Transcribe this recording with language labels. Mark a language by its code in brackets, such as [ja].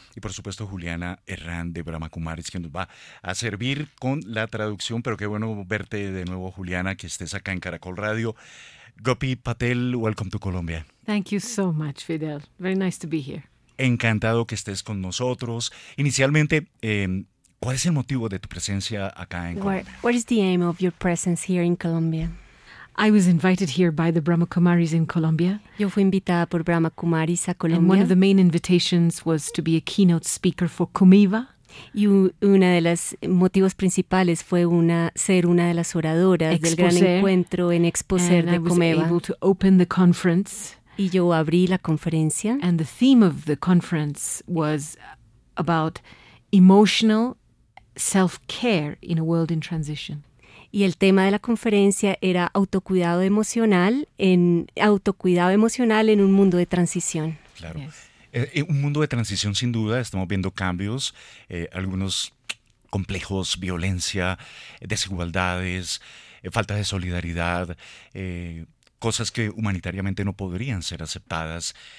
[es] Y por supuesto, Juliana Herrán de Brahma Kumaris, que nos va a servir con la traducción. Pero qué bueno verte de nuevo, Juliana, que estés acá en Caracol Radio. [en] Gopi Patel, welcome to Colombia. Thank you so much, Fidel. Very nice to be here. [es] Encantado que estés con nosotros. Inicialmente, ¿cuál es el motivo de tu presencia acá en Colombia? [en] What is the aim of your presence here in Colombia? I was invited here by the Brahma Kumaris in Colombia. [es] Yo fui invitada por Brahma Kumaris a Colombia. [en] And one of the main invitations was to be a keynote speaker for Comeva. [es] Y una de los motivos principales fue ser una de las oradoras Exposer, del gran encuentro en Exposer de Comeva. [en] And I was able to open the conference. [es] Y yo abrí la conferencia. [en] And the theme of the conference was about emotional self-care in a world in transition. [es] Y el tema de la conferencia era autocuidado emocional en un mundo de transición. Claro. Yes. Un mundo de transición, sin duda. Estamos viendo cambios, algunos complejos, violencia, desigualdades, falta de solidaridad, cosas que humanitariamente no podrían ser aceptadas.